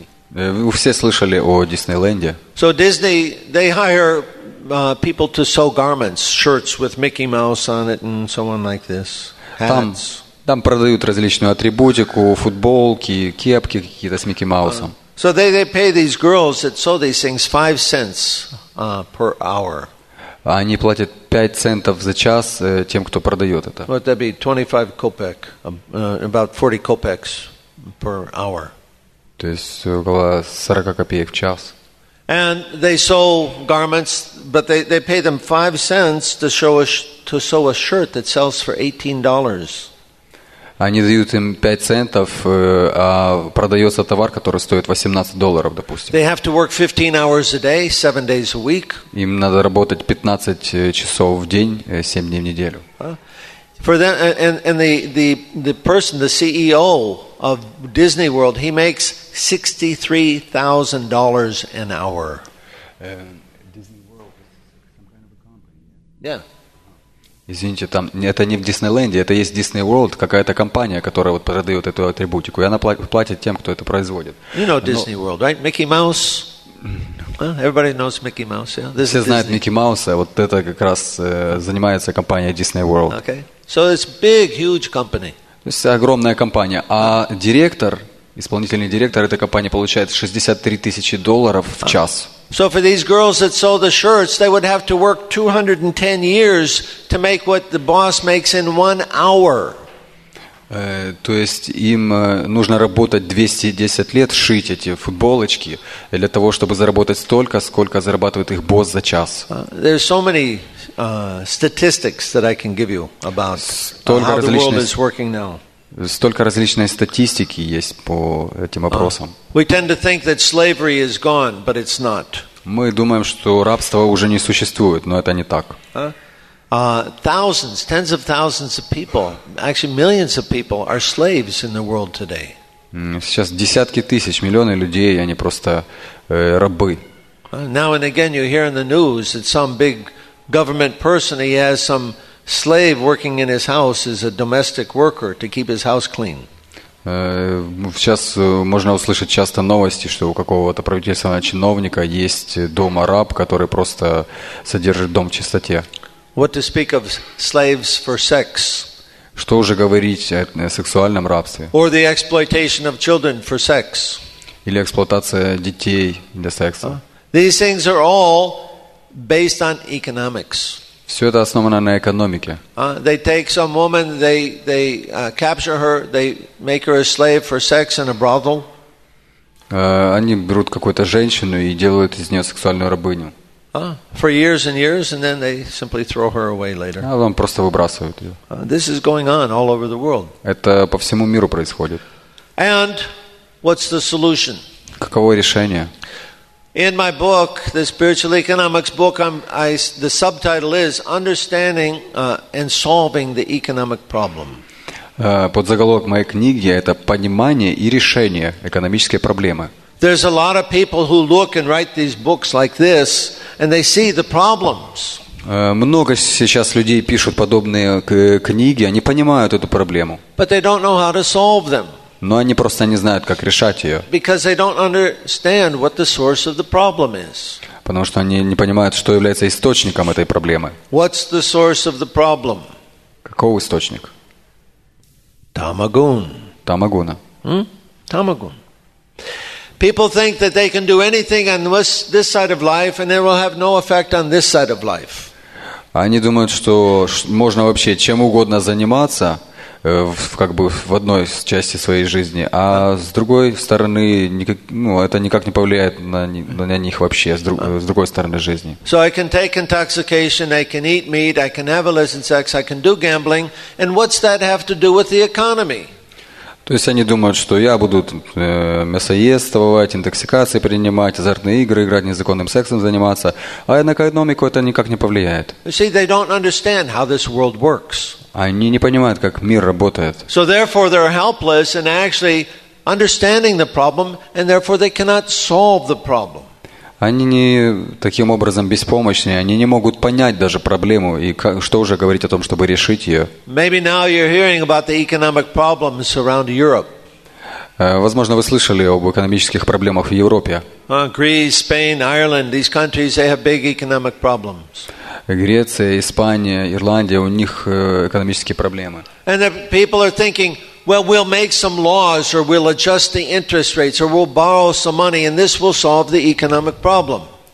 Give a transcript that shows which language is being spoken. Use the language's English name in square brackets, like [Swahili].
[Russian] Вы все слышали о Диснейленде. [English] So Disney, they hire people to sew garments, shirts with Mickey Mouse on it and so on like this. [Russian] Там продают различную атрибутику, футболки, кепки какие-то с Микки Маусом. [English] So they pay these girls that sew these things 5 cents per hour. [Russian] Они платят 5 центов за час тем, кто продает это. [English] What that be 25 kopek, about 40 kopeks per hour. [Russian] То есть около 40 копеек в час. [English] And they sew garments, but they pay them 5 cents to sew a shirt that sells for $18. [Russian] Они дают им 5 центов, а продается товар, который стоит $18, допустим. [English] They have to work 15 hours a day, 7 days a week. [Russian] Им надо работать 15 часов в день, 7 дней в неделю. [English] For them, and the person, the CEO of Disney World, he makes $63,000 an hour. Disney World is some kind of a company. Yeah. [Russian] Извините, там это не в Диснейленде, это есть Disney World, какая-то компания, которая вот продает эту атрибутику, и она платит тем, кто это производит. [English] You know Disney World, right? Mickey Mouse. Well, everybody knows Mickey Mouse, yeah. [Russian] Все знают Mickey Mouse, вот это как раз занимается компания Disney World. [English] Okay. So it's big, huge company. [Russian] То есть огромная компания, а директор, исполнительный директор этой компании получает $63,000 в час. [English] So for these girls that sew the shirts, they would have to work 210 years to make what the boss makes in 1 hour. [Russian] То есть им нужно работать 210 лет, шить эти футболочки для того, чтобы заработать столько, сколько зарабатывает их босс за час. [English] There's so many statistics that I can give you about how the world is working now. [Russian] Столько различной статистики есть по этим вопросам. [English] We tend to think that slavery is gone, but it's not. [Russian] Мы думаем, что рабство уже не существует, но это не так. [English] Thousands, tens of thousands of people, actually millions of people are slaves in the world today. [Russian] Сейчас десятки тысяч, миллионы людей, они просто рабы. [English] Now and again you hear in the news that some big government person, he has some slave working in his house as a domestic worker to keep his house clean. [Russian] Сейчас можно услышать часто новости, что у какого-то правительственного чиновника есть дома раб, который просто содержит дом в чистоте. [English] What to speak of slaves for sex? [Russian] Что уже говорить о сексуальном рабстве? [English] Or the exploitation of children for sex? [Russian] Или эксплуатация детей для секса? [English] These things are all based on economics. [Russian] Все это основано на экономике. [English] They take some woman, they capture her, they make her a slave for sex in a brothel. [Russian] Они берут какую-то женщину и делают из нее сексуальную рабыню. [English] For years and years, and then they simply throw her away later. [Russian] А потом просто выбрасывают ее. [English] This is going on all over the world. [Russian] Это по всему миру происходит. [English] And what's the solution? [Russian] Каково решение? [English] In my book, the Spiritual Economics book, the subtitle is Understanding and Solving the Economic Problem. [Russian] Подзаголовок моей книги — это понимание и решение экономической проблемы. [English] There's a lot of people who look and write these books like this, and they see the problems. [Russian] Много сейчас людей пишут подобные книги, они понимают эту проблему. [English] But they don't know how to solve them. [Russian] Но они просто не знают, как решать ее. [English] Because they don't understand what the source of the problem is. [Russian] Потому что они не понимают, что является источником этой проблемы. [English] What's the source of the problem? [Russian] Каков источник? [English] Tamagun. [Russian] Tamaguna. [English] Tamagun. People think that they can do anything on this side of life and it will have no effect on this side of life. [Russian] Они думают, что можно вообще чем угодно заниматься в одной части своей жизни, а с другой стороны, это никак не повлияет на них вообще, с другой стороны жизни. [English] So I can take intoxication, I can eat meat, I can have illicit sex, I can do gambling, and what's that have to do with the economy? [Russian] То есть они думают, что я буду мясоедствовать, интоксикации принимать, азартные игры играть, незаконным сексом заниматься, а на экономику это никак не повлияет. [English] You see, they don't understand how this world works. [Russian] Они не понимают, как мир работает. [English] So therefore they're helpless in actually understanding the problem, and therefore they cannot solve the problem. [Russian] Они не таким образом беспомощны, они не могут понять даже проблему, и что уже говорить о том, чтобы решить ее. [English] Maybe now you're hearing about the economic problems around Europe. [Russian] Возможно, вы слышали об экономических проблемах в Европе. [English] Greece, Spain, Ireland, these countries, they have big economic problems. [Russian] Греция, Испания, Ирландия, у них экономические проблемы. [English] And the people are thinking, well, we'll make some laws, or we'll adjust the interest rates, or we'll borrow some money, and this will solve the economic problem.